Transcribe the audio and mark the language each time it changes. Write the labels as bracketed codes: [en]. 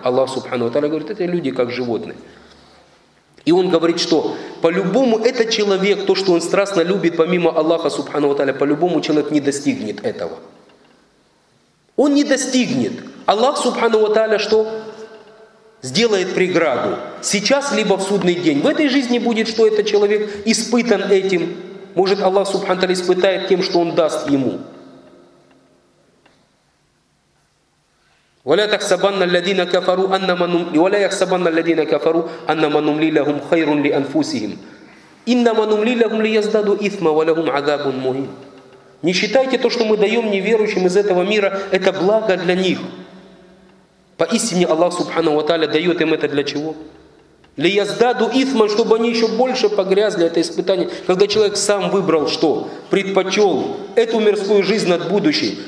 [ru] Аллах Субхану ва Тааля говорит, это люди как животные. И он говорит, что по-любому этот человек, то, что он страстно любит, помимо Аллаха Субхану ва Тааля, по-любому человек не достигнет этого. Он не достигнет. Аллах Субхану ва Тааля что? Сделает преграду. Сейчас, либо в судный день. В этой жизни будет, что этот человек испытан этим. Может, Аллах Субхану ва Тааля испытает тем, что он даст ему. [ar] ولا تحسبن الذين كفروا انما ولا يحسبن الذين كفروا انما نملي لهم خير لانفسهم انما نملي لهم ليزدادوا اثما ولهم عذاب مهين. [ru] Не считайте то, что мы даем неверующим из этого мира, это благо для них. Поистине Аллах Субхану ва Тааля дает им это для чего? Лияздаду итма, чтобы они еще больше погрязли это испытание. Когда человек сам выбрал что? Предпочел эту мирскую жизнь над будущей.